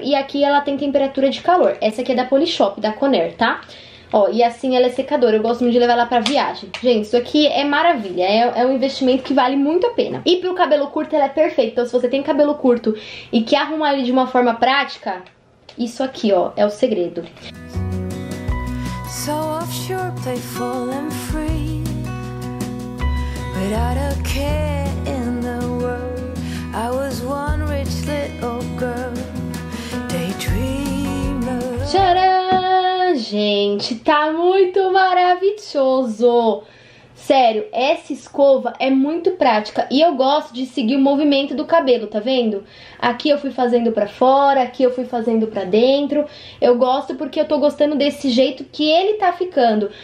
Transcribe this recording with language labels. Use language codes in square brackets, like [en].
[pt] E aqui ela tem temperatura de calor. Essa aqui é da Polishop, da Conair, tá? Ó, e assim ela é secadora, eu gosto muito de levar ela pra viagem. Gente, isso aqui é maravilha, é um investimento que vale muito a pena. E pro cabelo curto ela é perfeita, então se você tem cabelo curto e quer arrumar ele de uma forma prática, isso aqui, ó, é o segredo. [en] So offshore, playful and free, without a care in the world, I was one rich little girl, daydreamer. [pt] Tcharam! Gente, tá muito maravilhoso. Sério, essa escova é muito prática. E eu gosto de seguir o movimento do cabelo, tá vendo? Aqui eu fui fazendo pra fora, aqui eu fui fazendo pra dentro. Eu gosto porque eu tô gostando desse jeito que ele tá ficando.